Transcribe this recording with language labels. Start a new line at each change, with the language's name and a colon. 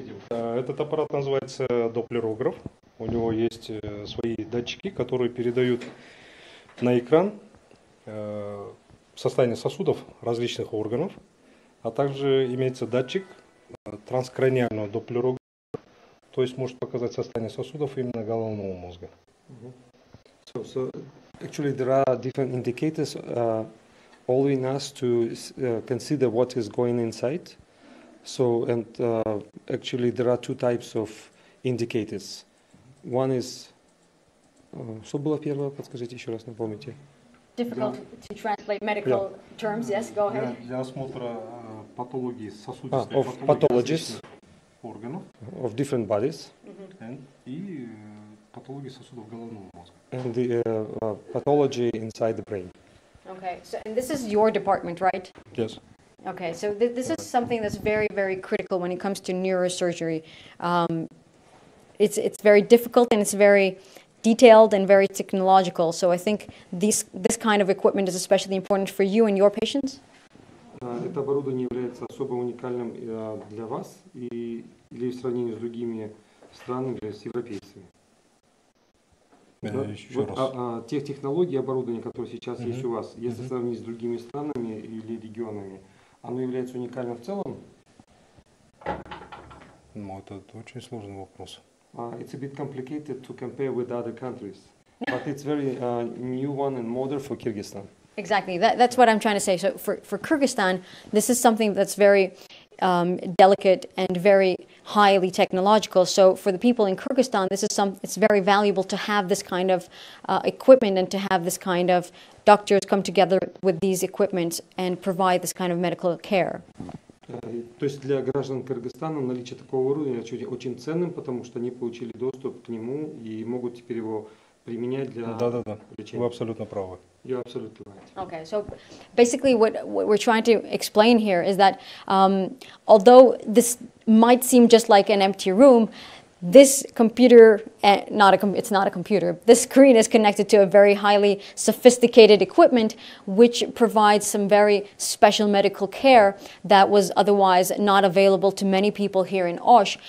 Russian: Этот аппарат называется доплерограф. У него есть свои датчики, которые передают на экран состояние сосудов различных органов, а также имеется датчик транскраниального доплерографа, то есть может показать состояние сосудов именно головного мозга.
English: So actually there are different indicators allowing us to consider what is going inside. So, and actually there are two types of indicators. One is,
Russian: что было первое, подскажите еще раз, напомните.
English: Difficult to translate medical terms, yes, go ahead.
Russian: Для осмотра патологии сосудистых
English: Of pathologies.
Russian: Органов.
English: Of different bodies.
Russian: И патологии сосудов головного мозга.
English: And the pathology inside the brain. Okay, so and this is your department, right? Yes. Okay, so this is something that's very, very critical when it comes to neurosurgery. It's very difficult and it's very detailed and very technological. So I think this kind of equipment is especially important for you and your patients.
Russian: Это оборудование является особо уникальным для вас и для сравнения с другими странами, с европейцами. Те технологии оборудования, которые сейчас есть у вас, если сравнить с другими странами или регионами. Оно является уникальным в целом? Ну, это очень сложный вопрос.
English: It's a bit complicated to compare with other countries. But it's very new one and modern for Kyrgyzstan. Exactly. That's what I'm trying to say. So for Kyrgyzstan, this is something that's very delicate and very highly technological. So for the people in Kyrgyzstan, it's very valuable to have this kind of equipment and to have this kind of doctors come together with these equipment and provide this kind of medical care.
Russian: То есть для граждан Кыргызстана наличие такого уровня очень ценным, потому что они получили доступ к нему и могут теперь его применять для лечения. Вы абсолютно правы.
English: You're absolutely right. Okay, so basically what we're trying to explain here is that although this might seem just like an empty room, this computer, it's not a computer, this screen is connected to a very highly sophisticated equipment which provides some very special medical care that was otherwise not available to many people here in Osh.